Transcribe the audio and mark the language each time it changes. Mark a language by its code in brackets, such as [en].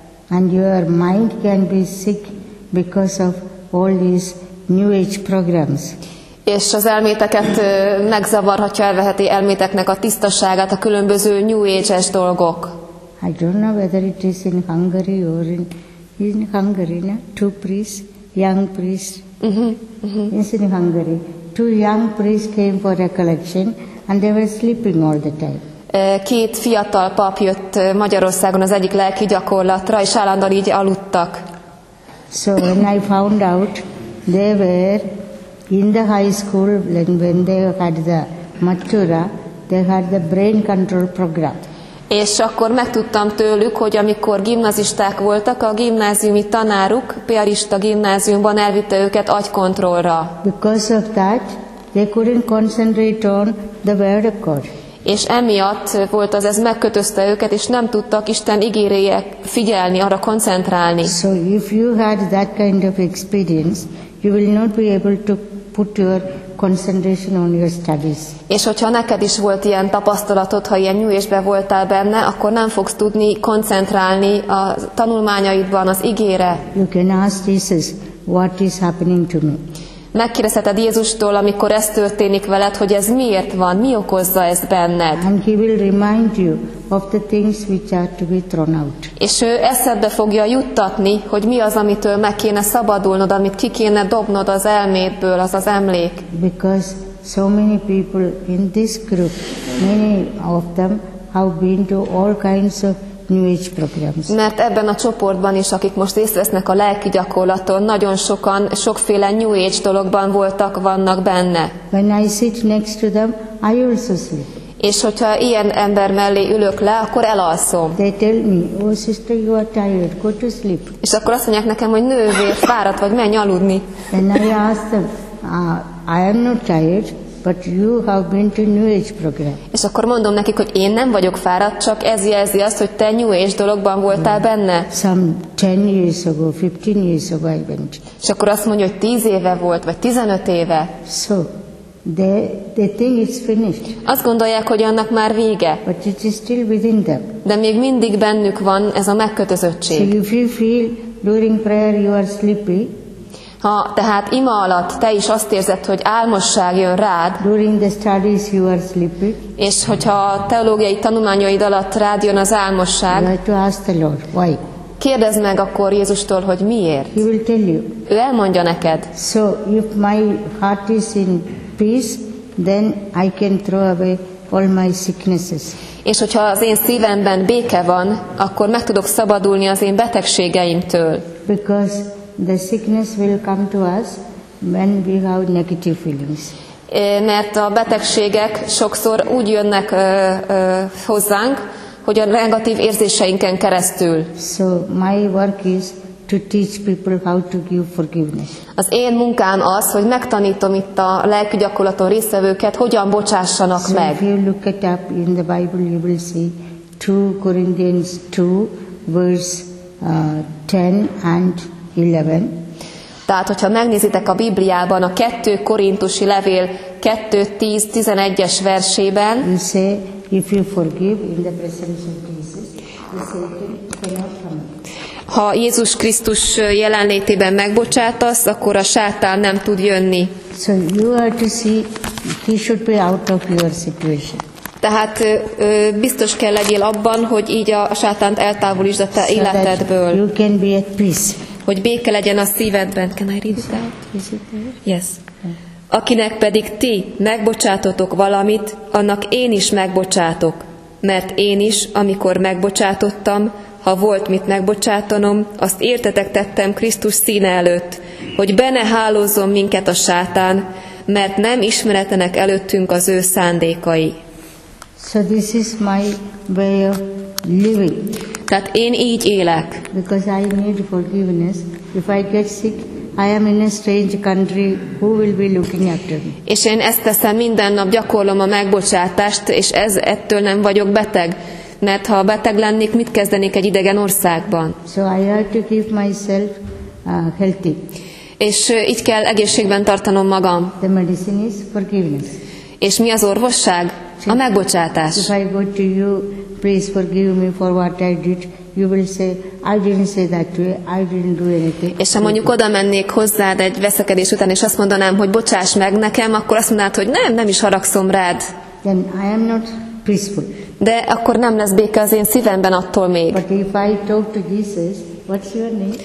[en] And your mind can be sick because of all these new age programs. [hu] És az elméteket megzavarhatja, elveheti elméteknek a tisztaságát a különböző New Age-es dolgok. [en] I don't know whether it is in Hungary or in Hungary, no? Two priests, young priests. It's in Hungary. Two young priests came for recollection and they were sleeping all the time. [hu] Két fiatal pap jött Magyarországon az egyik lelki gyakorlatra, és állandóan így aludtak. [en] So when I found out they were in the high school, like when they had the matura, they had the brain control program. [hu] És akkor megtudtam tőlük, hogy amikor gimnazisták voltak, a gimnáziumi tanáruk, piarista gimnáziumban elvitte őket agykontrollra. [en] Because of that, they couldn't concentrate on the word of God. [hu] És emiatt volt az, ez megkötözte őket, és nem tudtak Isten igéréje figyelni, arra koncentrálni. [en] So if you had that kind of experience, you will not be able to put your concentration on your studies. [hu] És hogyha neked is volt ilyen tapasztalatod, ha ilyen nyújésbe voltál benne, akkor nem fogsz tudni koncentrálni a tanulmányaidban az igére. [en] You can ask Jesus, what is happening to me? [hu] Megkérdezheted Jézustól, amikor ez történik veled, hogy ez miért van, mi okozza ezt benned. [en] And he will remind you of the things which are to be thrown out. [hu] És ő eszedbe fogja juttatni, hogy mi az, amitől meg kéne szabadulnod, amit ki kéne dobnod az elmédből, az az emlék. [en] Because so many people in this group, many of them have been to all kinds of New Age programs. [hu] Mert ebben a csoportban is, akik most részt vesznek a lelki gyakorlaton, nagyon sokan, sokféle New Age dologban voltak, vannak benne. [en] When I sit next to them, I also sleep. [hu] És hogyha ilyen ember mellé ülök le, akkor elalszom. [en] They tell me, oh sister, you are tired, go to sleep. [hu] És akkor azt mondják nekem, hogy nővér, fáradt vagy, menj aludni. [en] Then I ask them, I am not tired. But you have been to New Age program. [hu] És akkor mondom nekik, hogy én nem vagyok fáradt, csak ez jelzi azt, hogy te New Age dologban voltál benne. [en] Some 10 years ago, 15 years ago I went. [hu] És akkor azt mondja, hogy 10 éve volt, vagy 15 éve. [en] So, they think it's finished. [hu] Azt gondolják, hogy annak már vége. [en] But it is still within them. [hu] De még mindig bennük van ez a megkötözöttség. [en] So if you feel during prayer you are sleepy, [hu] ha tehát ima alatt te is azt érzed, hogy álmosság jön rád, [en] during the studies you are sleepy, [hu] és hogyha a teológiai tanulmányaid alatt rád jön az álmosság, [en] you have to ask the Lord, why? [hu] Kérdezd meg akkor Jézustól, hogy miért. [en] He will tell you. [hu] Ő elmondja neked. [en] So if my heart is in peace, then I can throw away all my sicknesses. [hu] És hogyha az én szívemben béke van, akkor meg tudok szabadulni az én betegségeimtől. [en] Because the sickness will come to us when we have negative feelings. [hu] Mert a betegségek sokszor úgy jönnek hozzánk, hogy a negatív érzéseinken keresztül. [en] So my work is to teach people how to give forgiveness. [hu] Az én munkám az, hogy megtanítom itt a lelki gyakorlaton résztvevőket, hogyan bocsássanak so meg. [en] So if you look it up in the Bible, you will see 2 Corinthians 2, verse 10 and 11. [hu] Tehát, hogyha megnézitek a Bibliában a 2 Korintusi levél 2:10-11-es versében, [en] you say, if you forgive in the presence of Jesus, you say, cannot come. [hu] Ha Jézus Krisztus jelenlétében megbocsátasz, akkor a sátán nem tud jönni. [en] So you have to see, he should be out of your situation. [hu] Tehát biztos kell legyél abban, hogy így a sátánt eltávolítsd a te so életedből. [en] You can be at peace. [hu] Hogy béke legyen a szívedben. [en] Can I read it out? Yes. [hu] Akinek pedig ti megbocsátotok valamit, annak én is megbocsátok. Mert én is, amikor megbocsátottam, ha volt mit megbocsátanom, azt értetek tettem Krisztus színe előtt, hogy be ne hálózzon minket a sátán, mert nem ismeretenek előttünk az ő szándékai. [en] So this is my way of living. [hu] Tehát én így élek. [en] Because I need forgiveness. If I get sick, I am in a strange country. Who will be looking after me? [hu] És én ezt teszem minden nap, gyakorlom a megbocsátást, és ez ettől nem vagyok beteg. Mert ha beteg lennék, mit kezdenék egy idegen országban? [en] So I have to keep myself healthy. [hu] És így kell egészségben tartanom magam. [en] The medicine is forgiveness. [hu] És mi az orvosság? A megbocsátás. [en] If I go to you, please forgive me for what I did. You will say, I didn't say that to you. I didn't do anything. [hu] És ha mondjuk oda mennék hozzád egy veszekedés után, és azt mondanám, hogy bocsáss meg nekem, akkor azt mondnád, hogy nem, nem is haragszom rád. [en] Then I am not peaceful. [hu] De akkor nem lesz béke az én szívemben attól még. [en] But if I talk to Jesus, what's your name?